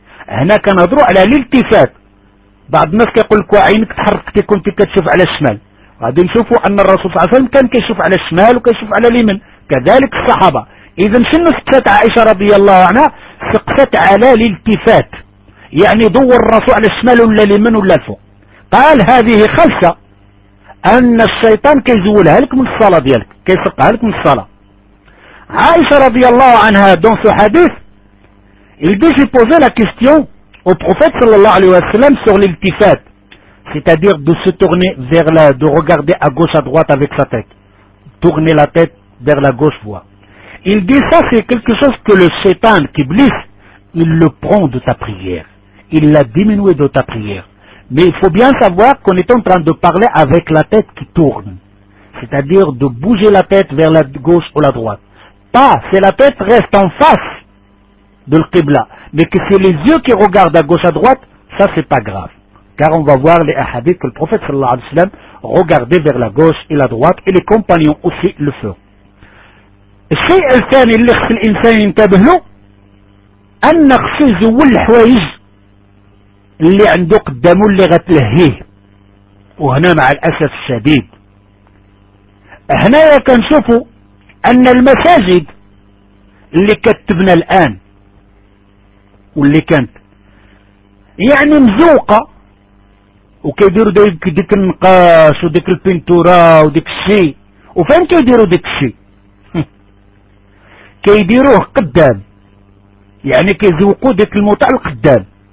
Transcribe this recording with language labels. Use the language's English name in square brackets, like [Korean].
[Arabic] هنا كنهضروا على الالتفات. بعض الناس كيقول لك عينك تحركتي كنت كتشوف على الشمال، غادي نشوفوا أن الرسول صلى الله عليه وسلم كان كيشوف على الشمال وكيشوف على اليمين، كذلك الصحابة. إذا شنو سقست عائشة رضي الله عنها؟ سقست على الالتفات، يعني ضو الرسول على الشمال ولا اليمين ولا الفوق. قال هذه خلسة أن الشيطان كيزولها لك من الصلاة ديالك، كيسرقها لك من الصلاة. عائشة رضي الله عنها دون سو حديث [French] il dit j'ai posé la question au prophète [Arabic] sallallahu alayhi wa sallam [French] sur l'iltifat, c'est-à-dire de se tourner vers la, de regarder à gauche à droite avec sa tête, tourner la tête vers la gauche voie. Il dit ça c'est quelque chose que le shaitan qui blisse, il le prend de ta prière, il l'a diminué de ta prière. Mais il faut bien savoir qu'on est en train de parler avec la tête qui tourne, c'est-à-dire de bouger la tête vers la gauche ou la droite. Pas, c'est la tête reste en face de l'Qibla, mais que c'est les yeux qui regardent à gauche à droite, ça c'est pas grave. Car on va voir les hadiths que le prophète [Arabic] sallallahu alayhi wa sallam [French] regardait vers la gauche et la droite, et les compagnons aussi le font. [Arabic] الشيء الثاني اللي خص الإنسان ينتبه له أن خص يزول الحوايج اللي عنده قدامه اللي غتلهيه. وهنا مع الأسف الشديد هنا كنشوفوا أن المساجد اللي كتبنا الآن واللي كانت يعني مزوقة وكيديروا ديك النقاش وديك البنتورا وديك الشيء، وفين كيديروا ديك الشيء؟ كيديروه قدام، يعني كيزوقوا ديك المتعة القدام.